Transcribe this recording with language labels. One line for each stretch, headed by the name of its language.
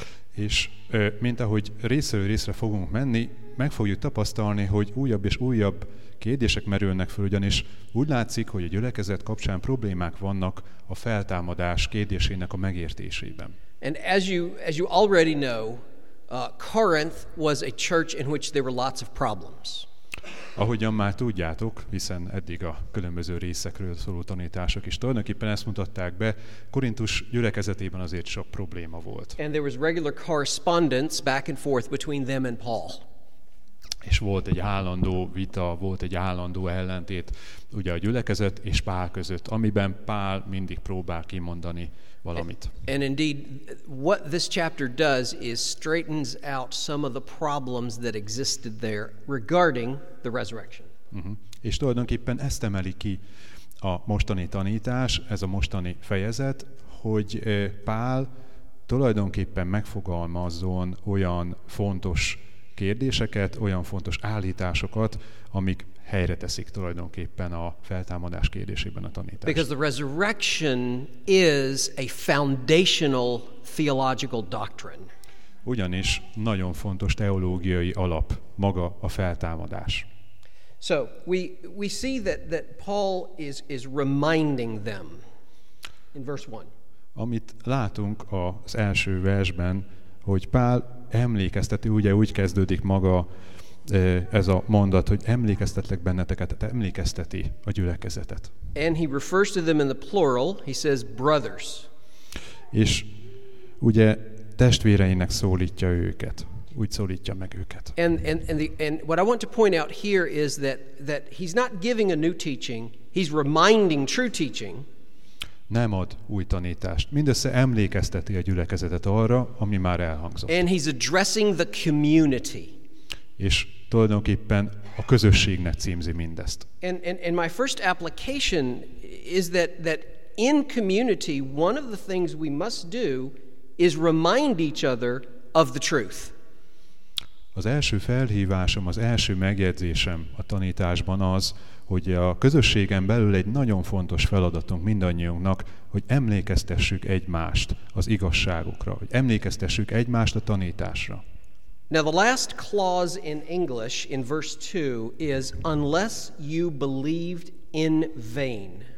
Hungarian: És mint ahogy részről részre fogunk menni, meg fogjuk tapasztalni, hogy újabb és újabb kérdések merülnek fel, ugyanis úgy látszik, hogy a gyülekezet kapcsán problémák vannak a feltámadás kérdésének a megértésében.
English: And as you already know, Corinth was a church in which there were lots of problems.
Hungarian: Ahogyan már tudjátok, hiszen eddig a különböző részekről szóló tanítások is tulajdonképpen ezt mutatták be, Korintus gyülekezetében azért sok probléma volt.
English: And there was regular correspondence back and forth between them and Paul.
Hungarian: És volt egy állandó vita, volt egy állandó ellentét, ugye a gyülekezet és Pál között, amiben Pál mindig próbál kimondani valamit.
English: And indeed, what this chapter does is straightens out some of the problems that existed there regarding the resurrection.
Hungarian: És tulajdonképpen ezt emeli ki a mostani tanítás, ez a mostani fejezet, hogy Pál tulajdonképpen megfogalmazzon olyan fontos kérdéseket, olyan fontos állításokat, amik helyre teszik tulajdonképpen a feltámadás kérdésében a tanítást.
English: Because the resurrection is a foundational theological doctrine.
Hungarian: Ugyanis nagyon fontos teológiai alap maga a feltámadás.
English: So we see that Paul is reminding them in verse 1.
Hungarian: Amit látunk az első versben, hogy Pál emlékezteti, ugye úgy kezdődik maga ez a mondat, hogy emlékeztetlek benneteket, emlékezteti a gyülekezetet.
English: And he refers to them in the plural, he says brothers.
Hungarian: És ugye testvéreinek szólítja őket, úgy szólítja meg őket.
English: And what I want to point out here is that he's not giving a new teaching, he's reminding true teaching.
Hungarian: Nem ad új tanítást. Mindössze emlékezteti a gyülekezetet arra, ami már elhangzott.
English: And he's addressing the community.
Hungarian: És tulajdonképpen a közösségnek címzi mindezt.
English: And my first application is that in community, one of the things we must do is remind each other of the truth.
Hungarian: Az első felhívásom, az első megjegyzésem a tanításban az, hogy a közösségen belül egy nagyon fontos feladatunk mindannyiunknak, hogy emlékeztessük egymást az igazságokra, hogy emlékeztessük egymást a tanításra.
English: Now the last clause in English in verse 2 is unless you believed in vain.